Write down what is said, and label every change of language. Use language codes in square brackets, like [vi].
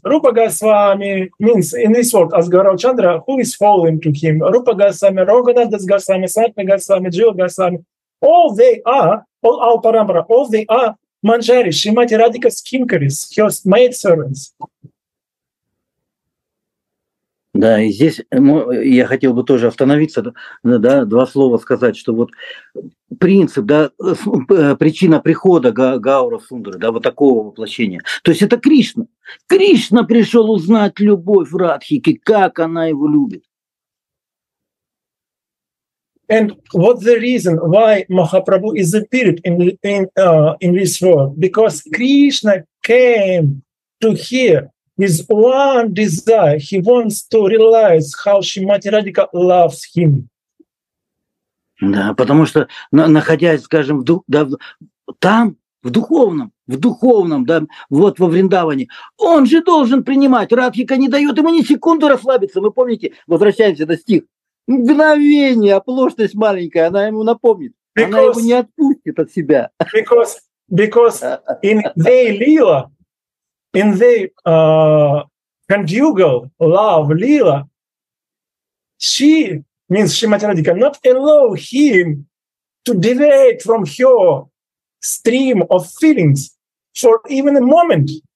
[en] Rupa Goswami means, in this world, as Gaurav Chandra, who is following to him? Rupa Goswami, Roganandas Goswami, Sartha Goswami, Jiva Goswami. All they are, all our parampara, all they are manjari, Shrimati Radhika's kinkaris, her maid servants. [ru] Да, и здесь я хотел бы тоже остановиться, да, два слова сказать, что вот принцип, да, причина прихода Гаура Сундары, да, вот такого воплощения, то есть это Кришна. Кришна пришел узнать любовь Радхики, как она его любит. [en] And what's the reason why Mahaprabhu is appeared in this world? Because Krishna came to hear his one desire. He wants to realize how Shrimati Radhika loves him. [ru] Да, потому что находясь, скажем, в духовном, да, вот во Вриндаване, он же должен принимать. Радхика не дает ему ни секунду расслабиться. Вы помните, возвращаемся до стиха. Мгновение, оплошность маленькая, она ему напомнит. Она его не отпустит от себя. [en] Because in their Lila, in their conjugal love Lila, she means Shrimati Radhika not allow him to deviate from her stream of feelings for even a moment.